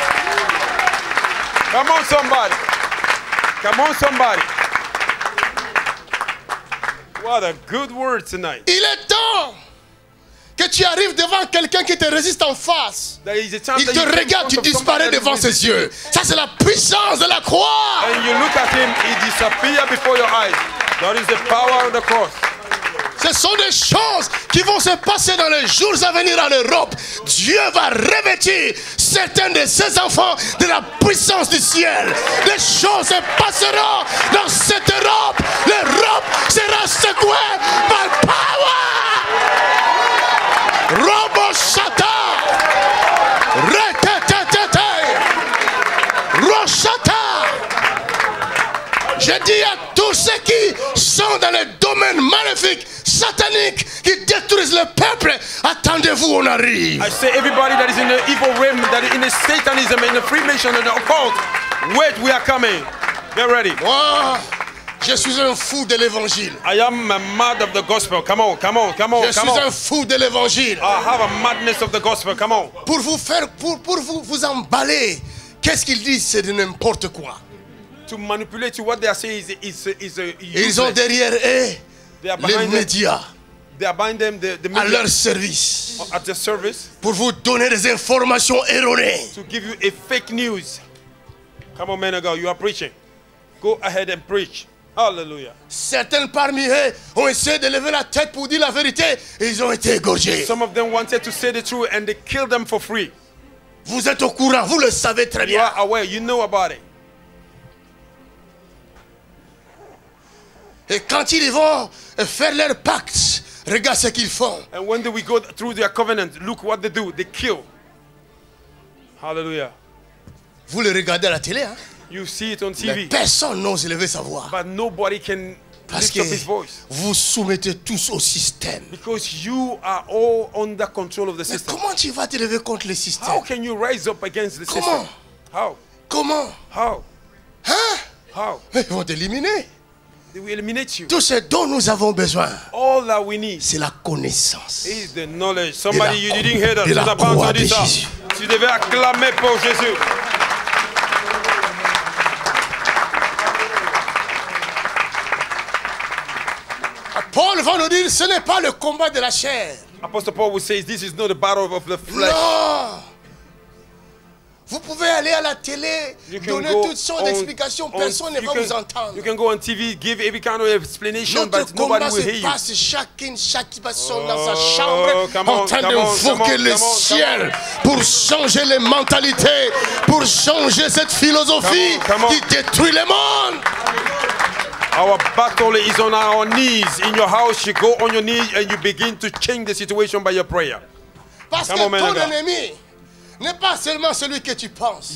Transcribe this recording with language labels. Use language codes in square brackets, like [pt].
[en] Oh. Come on, somebody. Come on, somebody. What a good word tonight. [fr] Il est temps. Que tu arrives devant quelqu'un qui te résiste en face. Il te regarde, tu disparais devant ses yeux. Ça, c'est la puissance de la croix. [en] And you look at him, he disappears before your eyes. That is the power of the cross. [fr] Ce sont des choses qui vont se passer dans les jours à venir en Europe. Dieu va revêtir certains de ses enfants de la puissance du ciel. Les choses se passeront dans cette Europe. L'Europe sera secouée par la power. Robo Shata, Retetetete, Roshata. Je dis à tous ceux qui sont dans le domaine maléfique, satanique, qui détruisent le peuple, attendez-vous, on arrive. [en] I say everybody that is in the evil realm, that is in the Satanism, in the Freemason, in the occult, wait, we are coming. Get ready. [fr] Je suis un fou de l'évangile. [en] I am a mad of the gospel. Come on, come on, come on. [fr] Je suis un fou de l'évangile. [en] I have a madness of the gospel. Come on. [fr] Pour vous faire pour vous emballer. Qu'est-ce qu'ils disent, c'est de n'importe quoi. [en] To manipulate you, what they are saying is [fr] ils ont derrière eux les médias. [en] They are buying them the media [fr] à leur service. [en] At their service. [fr] Pour vous donner des informations erronées. [en] To give you a fake news. Come on, man of God, you are preaching. Go ahead and preach. Hallelujah. [fr] Certains parmi eux ont essayé de lever la tête pour dire la vérité. Ils ont été égorgés. [en] Some of them wanted to say the truth and they killed them for free. [fr] Vous êtes au courant, vous le savez très bien. [en] You are aware, you know about it. [fr] Et quand ils vont faire leur pacte, regarde ce qu'ils font. [en] And when do we go through their covenant, look what they do, they kill. Hallelujah. [fr] Vous le regardez à la télé, hein? [en] You see it on TV. [fr] Mais personne n'ose élever sa voix. [en] But nobody can [fr] Parce que vous soumettez tous au système. [en] Because you are all under control of the system. [fr] Mais comment tu vas te lever contre le système? [en] How can you rise up against the [fr] Comment? [en] System? How? [fr] Comment? [en] How? [fr] Hein? [en] How? [fr] Ils vont t'éliminer. [en] They will eliminate you. [fr] Tout ce dont nous avons besoin. [en] All that we need. [fr] C'est la connaissance. [en] Is the knowledge. Somebody you didn't hear that. [fr] Vous avez entendu ça. Tu devais acclamer pour Jésus. Paul va nous dire, ce n'est pas le combat de la chair. [en] Apostle Paul will say, this is not the battle of the flesh. [fr] Non. Vous pouvez aller à la télé, donner toutes sortes d'explications, personne ne va vous entendre. [en] You can go on TV, give every kind of explanation, [fr] Notre [en] but nobody will hear you. [fr] Passe chaque personne dans sa chambre en train de invoquer le ciel pour changer les mentalités, pour changer cette philosophie qui détruit le monde. [en] Our battle is on our knees. In your house, you go on your knees and you begin to change the situation by your prayer. [fr] Parce que ton ennemi n'est pas seulement celui que tu penses.